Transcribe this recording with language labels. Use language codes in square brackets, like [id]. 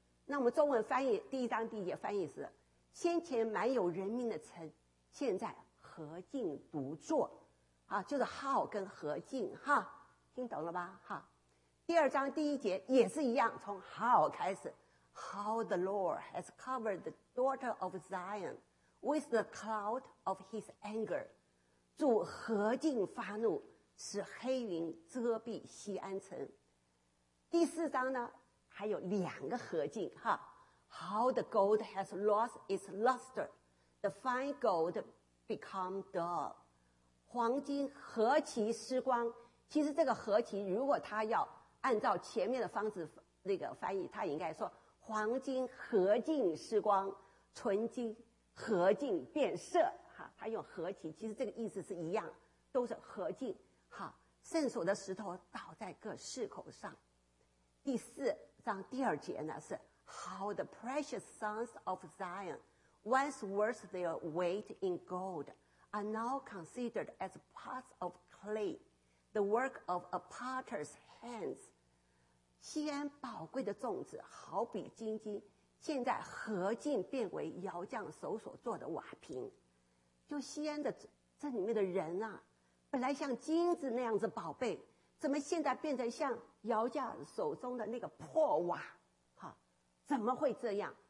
[zh] 那我们中文翻译第一章第一节翻译是先前满有人民的城现在何竟独坐啊，就是好跟何竟哈，听懂了吧哈。第2章第1节也是一样，从好开始， [en] how the Lord has covered the daughter of Zion with the cloud of his anger. [zh] 主何竟发怒，使黑云遮蔽锡安城。第四章呢，还有两个何竟哈。 [en] How the gold has lost its luster, the fine gold become dull. [zh] 黄金何其失光。其实这个何其，如果他要按照前面的方子那个翻译，他应该说黄金何尽失光，纯金何尽变色。哈，他用何其，其实这个意思是一样，都是何尽。哈，圣所的石头倒在各市口上。第四章第二节呢是。 [en] How the precious sons of Zion, once worth their weight in gold, are now considered as parts of clay, the work of a potter's hands. [zh] 锡安宝贵的种子好比金金，现在何竟变为窑匠手所做的瓦瓶。就锡安的这里面的人啊，本来像金子那样子宝贝，怎么现在变成像窑匠手中的那个破瓦？怎么会这样？